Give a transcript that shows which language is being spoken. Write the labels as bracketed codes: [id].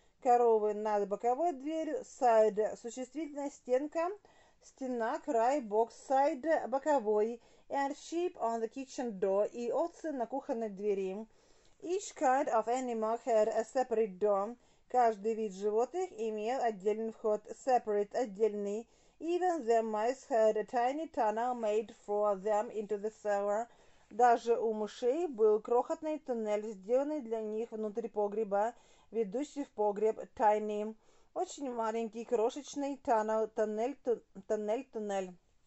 [ru] Коровы над боковой дверью. Side, существительная стенка. Стена, край, бок, side, боковой. [en] And sheep on the kitchen door. [ru] И овцы на кухонной двери. [en] Each kind of animal had a separate door. [ru] Каждый вид животных имел отдельный вход. Separate, отдельный. [en] Even the mice had a tiny tunnel made for them into the cellar. [ru] Даже у мышей был крохотный туннель, сделанный для них внутрь погреба, ведущий в погреб, tiny. Очень маленький, крошечный tunnel, туннель.